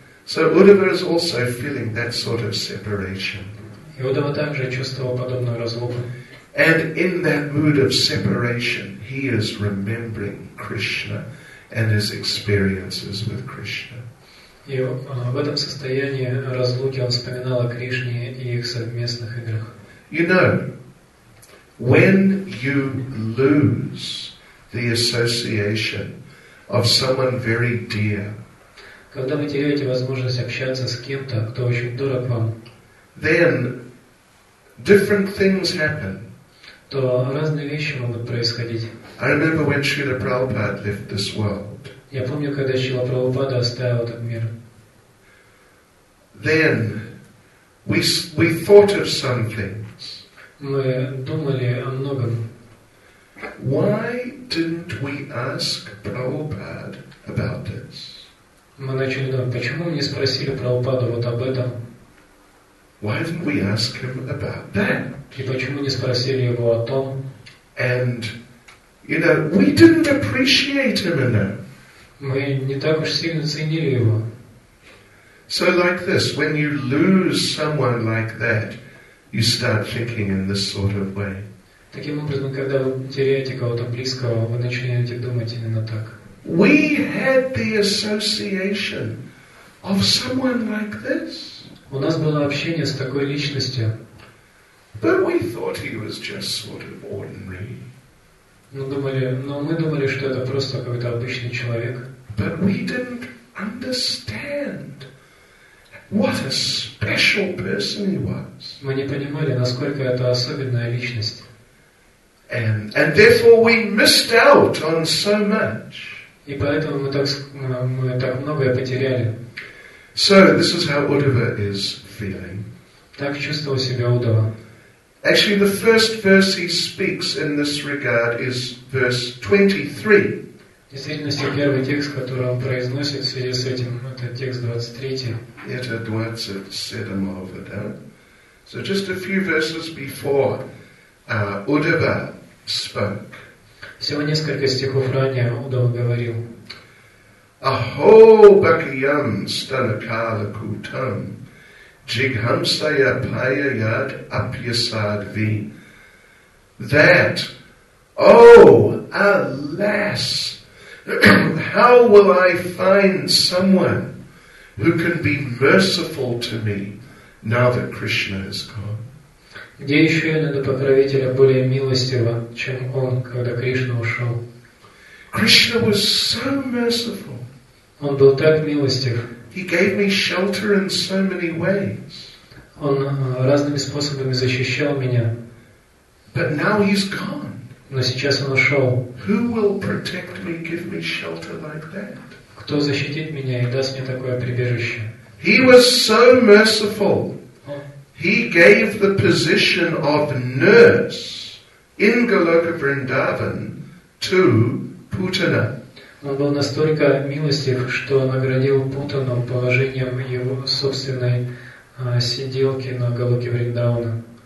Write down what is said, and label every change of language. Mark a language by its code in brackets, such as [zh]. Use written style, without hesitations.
[en] So Uddhava is also feeling that sort of separation. [ru] И Уддхава также чувствовал подобную разлуку. [en] And in that mood of separation, he is remembering Krishna and his experiences with Krishna. [ru] И в этом состоянии разлуки он вспоминал о Кришне и их совместных играх. [en] You know, when you lose the association of someone very dear. [ru] Когда вы теряете возможность общаться с кем-то, кто очень дорог вам, [en] then different things happen. [ru] То разные вещи могут происходить. [en] I remember when Srila Prabhupada left this world. [ru] Я помню, когда Шрила Прабхупада оставил этот мир. [en] Then We thought of some things. [ru] Мы думали о многом. [en] Why didn't we ask Prabhupada about this? [ru] Мы начали думать, почему мы не спросили Прабхупаду вот об этом? [en] Why didn't we ask him about that? [ru] И почему не спросили его о том? [en] And, you know, we didn't appreciate him enough. [ru] Мы не так уж сильно ценили его. [en] So like this, when you lose someone like that, you start thinking in this sort of way. [ru] Таким образом, когда вы теряете кого-то близкого, вы начинаете думать именно так. [en] We had the association of someone like this. [ru] У нас было общение с такой личностью. [en] But we thought he was just sort of ordinary. [ru] Мы думали, что это просто какой-то обычный человек. [en] But we didn't understand what a special person he was. [ru] Мы не понимали, насколько это особенная личность. [en] And therefore we missed out on so much. [ru] И поэтому мы так многое потеряли. [en] So this is how Uddhava is feeling. [ru] Так чувствовал себя Уддхава. [en] Actually, the first verse he speaks in this regard is verse 23. [ru] Действительно, первый текст, который он произносит в связи с этим, это текст 23. Это 27-го, да? [en] So just a few verses before Uddhava spoke. [ru] Всего несколько стихов ранее Удава говорил. [sa] Aho bhakyam stanakala kutam jighamsaya payayad apyasadvi. [en] That, oh, alas, how will I find someone who can be merciful to me now that Krishna is gone? [ru] Где еще я найду покровителя более милостивого, чем он, когда Кришна ушел? [en] Krishna was so merciful. [ru] Он был так милостив. [en] He gave me shelter in so many ways. [ru] Он разными способами защищал меня. [en] But now he's gone. [ru] Но сейчас он ушел. [en] Who will protect me, give me shelter like that? [ru] Кто защитит меня и даст мне такое прибежище? [en] He was so merciful. He gave the position of nurse in Goloka Vrindavan to Putana. [ru] Он был настолько милостив, что наградил Путану положением его собственной сиделки на Голоке Вриндавана.